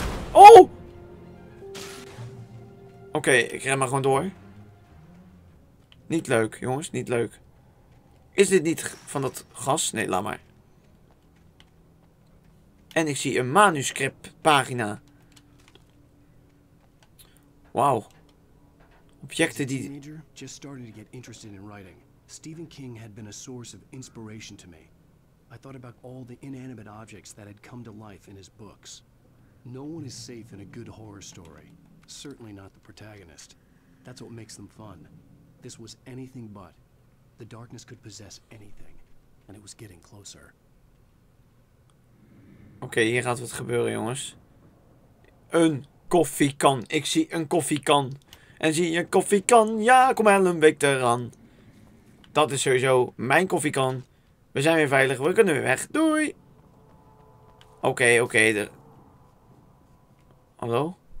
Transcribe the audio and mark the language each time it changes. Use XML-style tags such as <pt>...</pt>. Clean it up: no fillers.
<nl>Oh! Oké, ik ren maar gewoon door. Niet leuk, jongens. Niet leuk. Is dit niet van dat gas? Nee, laat maar. En ik zie een manuscriptpagina. Wauw. Objecten die...</nl> <en>Teenager, just started to get interested in writing. Stephen King had been a source of inspiration to me. I thought about all the inanimate objects that had come to life in his books. No one is safe in a good horror story. Certainly not the protagonist. That's what makes them fun. This was anything but. The darkness could possess anything. And it was getting closer.</en> <nl>Oké, hier gaat wat gebeuren, jongens. Een koffiekan. Ik zie een koffiekan. En zie je een koffiekan? Ja, kom Ellen Victor aan. Dat is sowieso mijn koffiekan. We zijn weer veilig. We kunnen weer weg. Doei. Oké. Hallo?</nl>